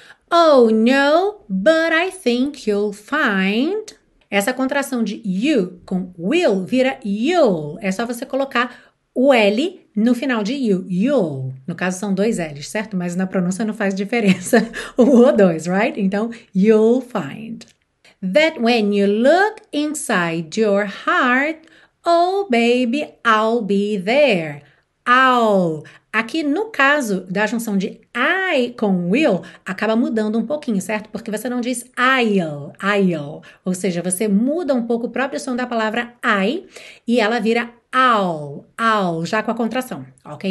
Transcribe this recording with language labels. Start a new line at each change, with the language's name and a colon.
English: Oh, no, but I think you'll find.
Portuguese: Essa contração de you com will vira
English: you'll.
Portuguese: É só você colocar o L no final de you,
English: you'll.
Portuguese: No caso, são dois L's, certo? Mas na pronúncia não faz diferença o ou dois, right?
English: Então, you'll find. That when you look inside your heart, oh, baby, I'll be there. I'll.
Portuguese: Aqui, no caso da junção de I com will, acaba mudando um pouquinho, certo? Porque você não diz I'll. Ou seja, você muda um pouco o próprio som da palavra I e ela vira I'll, já com a contração, ok?